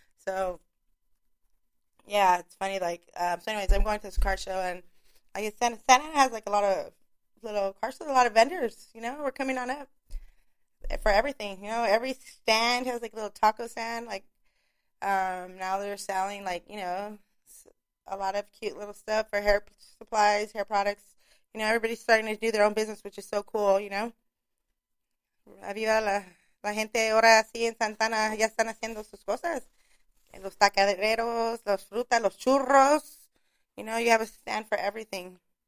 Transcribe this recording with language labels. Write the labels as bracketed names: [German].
[English] So yeah, it's funny. So anyways, I'm going to this car show, and I guess Santa Ana has like a lot of little car shows, a lot of vendors, you know. We're coming on up for everything, you know. Every stand has like a little taco stand. Now they're selling a lot of cute little stuff for hair supplies, hair products. You know, everybody's starting to do their own business, which is so cool, you know. [Spanish] Viva la gente ahora sí en Santana ya están haciendo sus cosas. Los tacaderos, los frutas, los churros. [English] You know, you have a stand for everything.